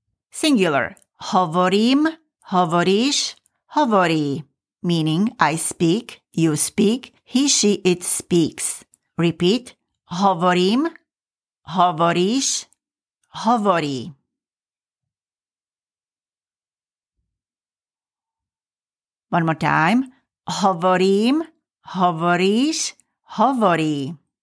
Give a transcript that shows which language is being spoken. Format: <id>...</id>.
<sk>Singular, hovorím, hovoríš, hovorí.</sk> <en>Meaning, I speak, you speak, he, she, it speaks.</en> <sk>Repeat, hovorím, hovoríš, hovorí.</sk> <en>One more time.</en> <sk>Hovorím, hovoríš, hovorí.</sk>